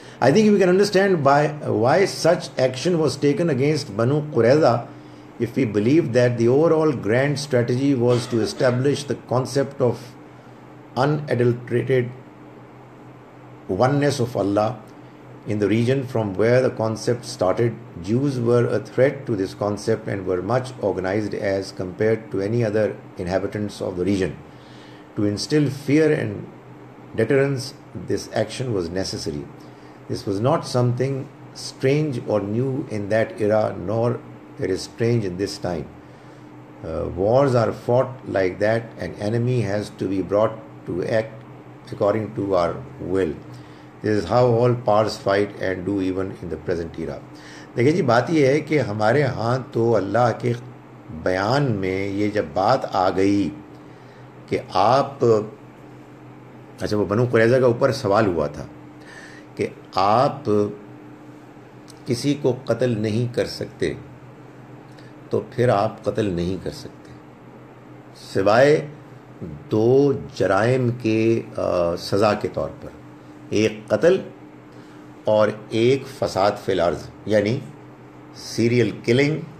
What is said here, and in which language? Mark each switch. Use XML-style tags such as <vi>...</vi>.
<en>I think you can understand by Y such action was taken against بنو قریظہ if you believe that the over all grand strategy was to establish the concept of in ایڈلٹریٹڈ oneness of Allah in the region from where the concept started. Jews were a threat to this concept and were much organized as compared to any other inhabitants of the region. To instill fear and deterrence, this action was necessary. This was not something strange or new in that era, nor it is strange in this time. Wars are fought like that. An enemy has to be brought to act according to our will. This is how all powers fight and do even in the present era.</en> <ur>دیکھیں جی بات یہ ہے کہ ہمارے ہاں تو اللہ کے بیان میں یہ جب بات آ گئی کہ آپ, اچھا وہ بنو قریظہ کا اوپر سوال ہوا تھا کہ آپ کسی کو قتل نہیں کر سکتے تو پھر آپ قتل نہیں کر سکتے سوائے دو جرائم کے سزا کے طور پر, ایک قتل اور ایک فساد فی الارض, یعنی سیریل کلنگ,</ur>